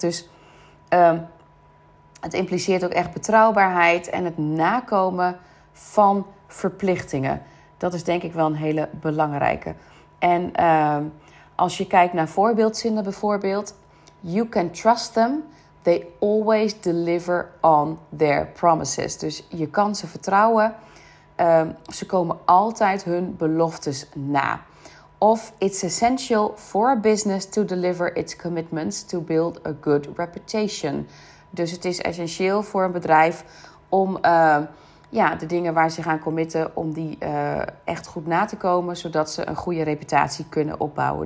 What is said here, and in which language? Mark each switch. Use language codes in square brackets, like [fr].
[nl] Dus het impliceert ook echt betrouwbaarheid en het nakomen van verplichtingen. Dat is denk ik wel een hele belangrijke. En als je kijkt naar voorbeeldzinnen bijvoorbeeld, [en] you can trust them. They always deliver on their promises. [nl] Dus je kan ze vertrouwen. Ze komen altijd hun beloftes na. Of [en] it's essential for a business to deliver its commitments to build a good reputation. [nl] Dus het is essentieel voor een bedrijf om de dingen waar ze gaan committen, om die echt goed na te komen, zodat ze een goede reputatie kunnen opbouwen.